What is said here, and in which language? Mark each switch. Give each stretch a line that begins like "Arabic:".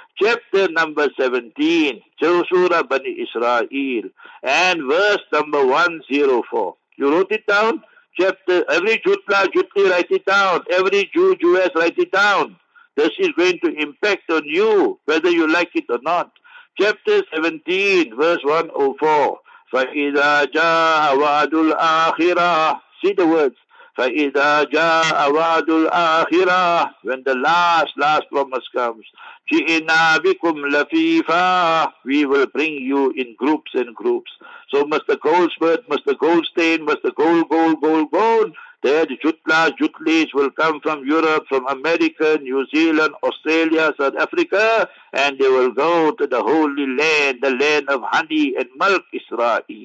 English: Chapter number 17, Surah Bani Israel, and verse number 104. You wrote it down? Chapter, every Jutla, Jutti, write it down. Every Jew, Jewess, write it down. This is going to impact on you, whether you like it or not. Chapter 17, verse 104.
Arabic: فَإِذَا جَاءَ وَعَدُ الْآخِرَةِ
English: See the words.
Arabic: فَإِذَا جَاءَ وَعَدُ الْآخِرَةِ
English: When the last promise comes.
Arabic: جِئِنَا بِكُمْ لَفِيفًا
English: We will bring you in groups and groups. So Mr. Goldsmith, Mr. Goldstein, Mr. Gold, that Jutla, Jutlis will come from Europe, from America, New Zealand, Australia, South Africa, and they will go to the Holy Land, the land of honey and milk, Israel.